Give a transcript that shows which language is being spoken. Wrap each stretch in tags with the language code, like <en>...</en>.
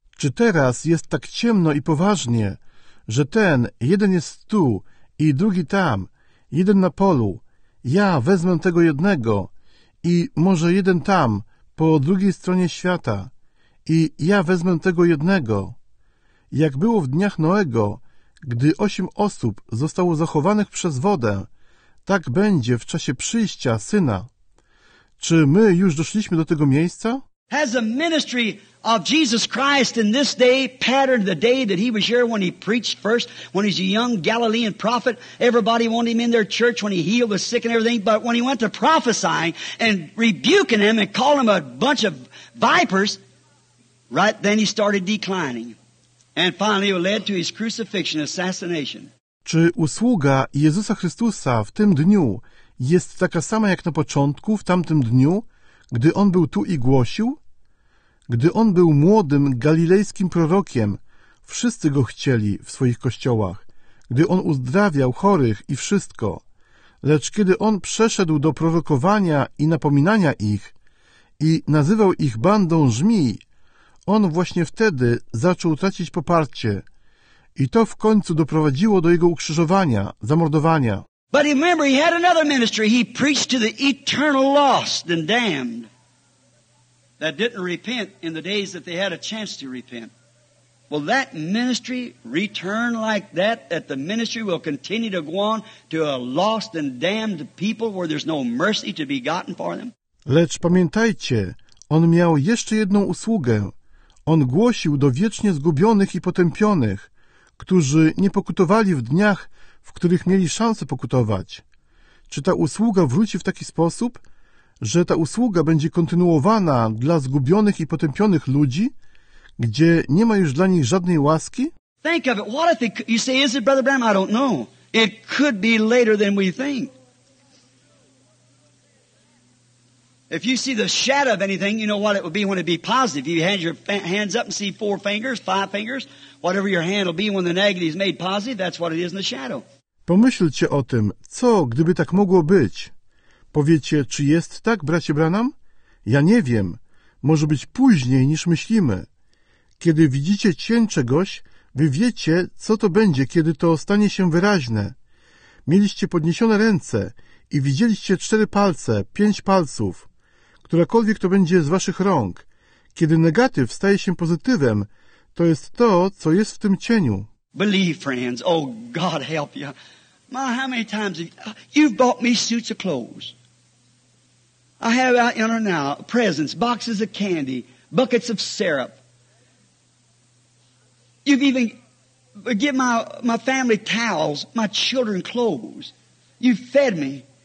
<pl>Czy teraz jest tak ciemno i poważnie, że ten jeden jest tu i drugi tam, jeden na polu, ja wezmę tego jednego i może jeden tam, po drugiej stronie świata i ja wezmę tego jednego. Jak było w dniach Noego, gdy 8 osób zostało zachowanych przez wodę, tak będzie w czasie przyjścia Syna. Czy my już doszliśmy do tego miejsca?</pl> <en>Has the ministry of Jesus Christ in this day patterned the day that he was here when he preached first, when he's a young Galilean prophet? Everybody wanted him in their church when he healed the sick and everything. But when he went to prophesying and rebuking them and calling them a bunch of vipers, right then he started declining. And finally it led to his crucifixion, assassination.</en> <pl>Czy usługa Jezusa Chrystusa w tym dniu jest taka sama jak na początku, w tamtym dniu, gdy on był tu i głosił? Gdy on był młodym galilejskim prorokiem, wszyscy go chcieli w swoich kościołach, gdy on uzdrawiał chorych i wszystko. Lecz kiedy on przeszedł do prorokowania i napominania ich i nazywał ich bandą żmij, on właśnie wtedy zaczął tracić poparcie i to w końcu doprowadziło do jego ukrzyżowania, zamordowania.</pl> <en>But remember, he had another ministry. He preached to the eternal lost and damned that didn't repent in the days that they had a chance to repent. Will that ministry return like that, that the ministry will continue to go on to a lost and damned people where there's no mercy to be gotten for them?</en> <pl>Lecz pamiętajcie, on miał jeszcze jedną usługę. On głosił do wiecznie zgubionych i potępionych, którzy nie pokutowali w dniach, w których mieli szansę pokutować. Czy ta usługa wróci w taki sposób, że ta usługa będzie kontynuowana dla zgubionych i potępionych ludzi, gdzie nie ma już dla nich żadnej łaski?</pl> <en>Think of it. What if it, you say, is it Brother Branham? I don't know. It could be later than we think. If you see the shadow of anything, you know what it would be when it'd be positive. You hand your hands up and see 4 fingers, 5 fingers, whatever your hand will be when the negative is made positive, that's what it is in the shadow.</en> <pl>Pomyślcie o tym, co gdyby tak mogło być. Powiecie, czy jest tak, bracie Branham? Ja nie wiem. Może być później niż myślimy. Kiedy widzicie cień czegoś, wy wiecie, co to będzie, kiedy to stanie się wyraźne. Mieliście podniesione ręce i widzieliście 4 palce, 5 palców. Którakolwiek to będzie z waszych rąk. Kiedy negatyw staje się pozytywem, to jest to, co jest w tym cieniu.</pl> <en>Believe, friends. Oh, God help you. My, how many times have you've bought me suits of clothes? I have out yonder now presents, boxes of candy, buckets of syrup. You've even given my family towels, my children clothes. You've fed me.</en>